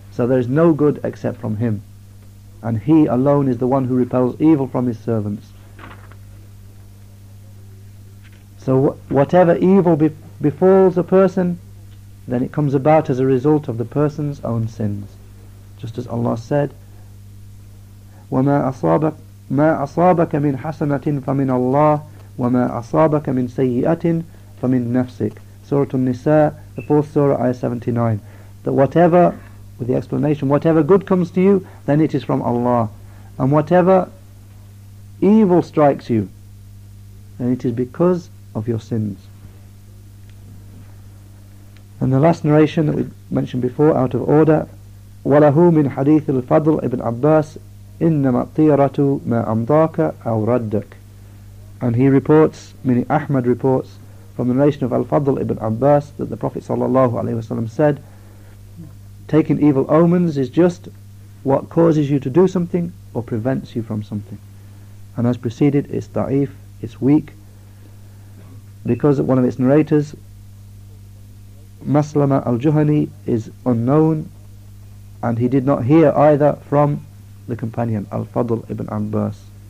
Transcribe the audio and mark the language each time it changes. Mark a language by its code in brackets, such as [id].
[en] So there is no good except from him, and he alone is the one who repels evil from his servants. So whatever evil befalls a person, then it comes about as a result of the person's own sins. Just as Allah said, [ar] وَمَا أَصَابَكَ, مَا أَصَابَكَ مِنْ حَسَنَةٍ فَمِنْ اللَّهِ وَمَا أَصَابَكَ مِنْ سَيِّئَةٍ فَمِنْ نَفْسِكَ. [en] Surah An-Nisa, the fourth surah, ayah 79. That whatever, with the explanation, whatever good comes to you, then it is from Allah. And whatever evil strikes you, then it is because of your sins. And the last narration that we mentioned before, out of order, [ar] وَلَهُ مِنْ حَدِيثِ الْفَضْلِ ابْنْ عَبَّاسِ إِنَّمَا الطِّيَرَةُ مَا أَمْضَاكَ أَوْ رَدَّكَ. [en] And he reports, meaning Ahmad reports, from the narration of Al-Fadl ibn Abbas, that the Prophet ﷺ said, taking evil omens is just what causes you to do something or prevents you from something. And as preceded, it's da'if, it's weak, because one of its narrators, Maslama al-Juhani, is unknown, and he did not hear either from the companion, Al-Fadl ibn Abbas.